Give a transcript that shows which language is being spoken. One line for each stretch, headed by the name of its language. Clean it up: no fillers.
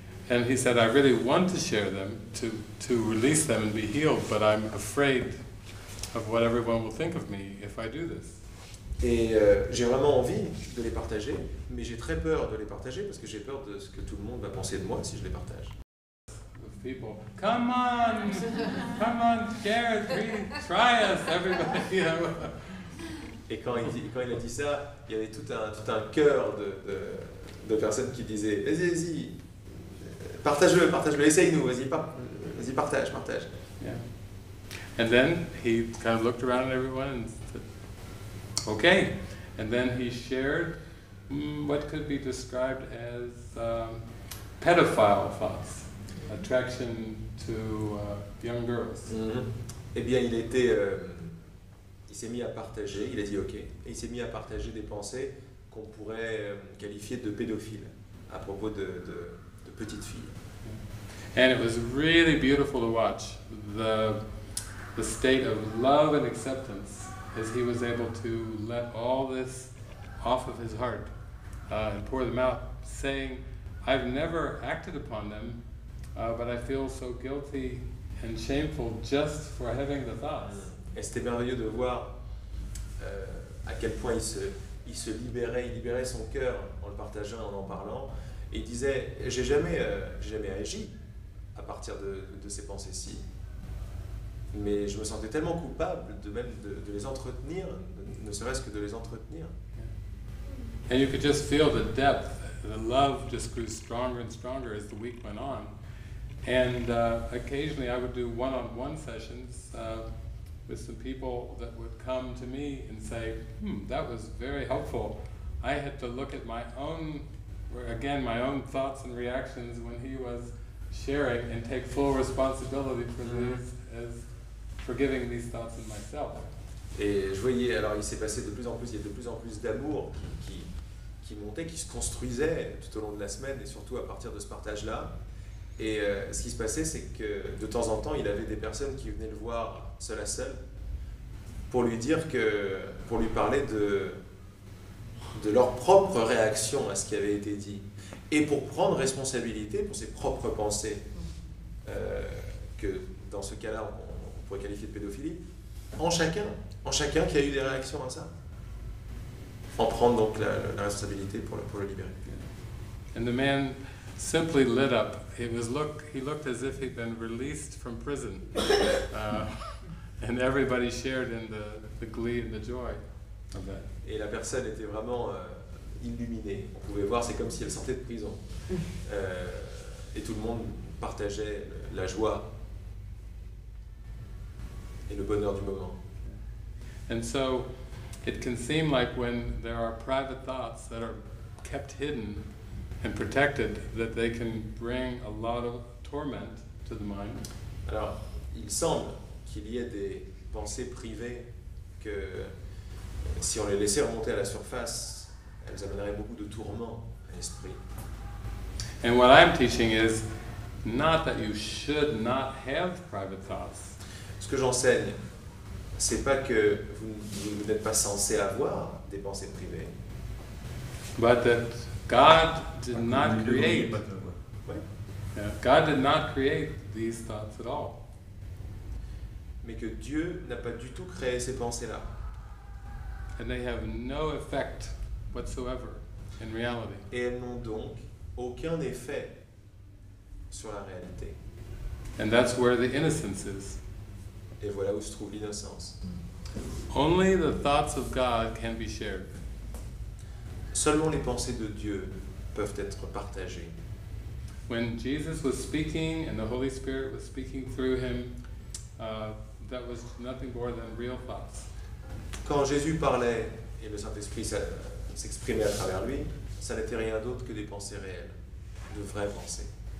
English: And he said, I really want to share them, to release them and be healed, but I'm afraid of what everyone will think of me if I do this.
French: Et j'ai vraiment envie de les partager, mais j'ai très peur de les partager parce que j'ai peur de ce que tout le monde va penser de moi si je les partage.
English: People, come on, come on, share, try us, everybody.
French: Et quand il a dit ça, il y avait tout un cœur de personnes qui disaient, vas-y, vas-y, partage-le, essaye-nous, vas-y, partage.
English: Yeah. And then he kind of looked around at everyone and said, okay. And then he shared what could be described as pedophile thoughts, attraction to young girls. Mm-hmm.
French: Eh bien, il s'est mis à partager, il a dit okay. Et il s'est mis à partager des pensées qu'on pourrait qualifier de pédophiles à propos de petites filles.
English: And it was really beautiful to watch the state of love and acceptance as he was able to let all this off of his heart and pour them out, saying, I've never acted upon them, but I feel so guilty and shameful just for having the thoughts.
French: Et c'était merveilleux de voir à quel point il se libérait, il libérait son cœur en le partageant, en parlant. Et il disait, j'ai jamais agi à partir de ces pensées-ci. Mais je me sentais tellement coupable de même de les entretenir, ne serait-ce que de les entretenir.
English: And you could just feel the depth, the love just grew stronger and stronger as the week went on. And occasionally I would do one-on-one sessions with some people that would come to me and say, that was very helpful. I had to look at my own thoughts and reactions when he was sharing and take full responsibility for these as forgiving these thoughts in myself.
French: Et je voyais, alors il s'est passé de plus en plus, il y a de plus en plus d'amour qui montait, qui se construisait tout au long de la semaine et surtout à partir de ce partage-là. Et ce qui se passait, c'est que de temps en temps, il avait des personnes qui venaient le voir seul à seul pour lui parler de leur propre réaction à ce qui avait été dit et pour prendre responsabilité pour ses propres pensées que dans ce cas-là, on pourrait qualifier de pédophilie, en chacun qui a eu des réactions à ça, en prendre donc la responsabilité pour le libérer.
English: And the man simply lit up. He looked as if he'd been released from prison, and everybody shared in the glee and the joy of that.
French: Et la personne était vraiment illuminée. On pouvait voir, c'est comme si elle sortait de prison, et tout le monde partageait la joie. Et le bonheur du moment.
English: And so, it can seem like when there are private thoughts that are kept hidden and protected, that they can bring a lot of torment to the mind.
French: Alors, il semble qu'il y ait des pensées privées que, si on les laissait remonter à la surface, elles amèneraient beaucoup de tourment à l'esprit.
English: And what I'm teaching is not that you should not have private thoughts.
French: Ce que j'enseigne, c'est pas que vous n'êtes pas censé avoir des pensées privées.
English: But that God did not create.
French: Ouais.
English: God did not create these thoughts at all.
French: Mais que Dieu n'a pas du tout créé ces pensées-là.
English: And they have no effect whatsoever in reality.
French: Et elles n'ont donc aucun effet sur la réalité.
English: And that's where the innocence is.
French: Et voilà où se trouve l'innocence.
English: Only the thoughts of God can be shared.
French: Seulement les pensées de Dieu peuvent être partagées.
English: When Jesus was speaking and the Holy Spirit was speaking through him, that was nothing more than real thoughts.
French: Quand Jésus parlait et le Saint-Esprit s'exprimait à travers lui, ça n'était rien d'autre que des pensées réelles, de vraies pensées.